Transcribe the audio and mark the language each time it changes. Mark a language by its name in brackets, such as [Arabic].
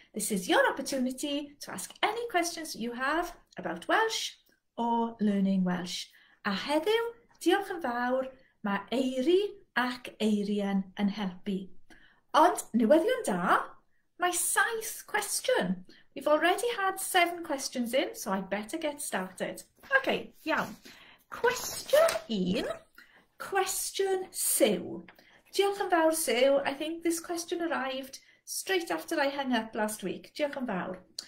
[English] This is your opportunity to ask any questions you have about Welsh or learning Welsh. [Welsh] A heddiw, diolch yn fawr, mae Eiri ac Eirian yn helpu. Ond newyddion da, mae saith cwestiwn. [English] We've already had seven questions in, so I'd better get started. [Welsh] Okay, iawn. Cwestiwn un, cwestiwn Sue. Diolch yn fawr, Sue. [English] I think this question arrived straight after I hung up last week. [Welsh] Diolch yn fawr.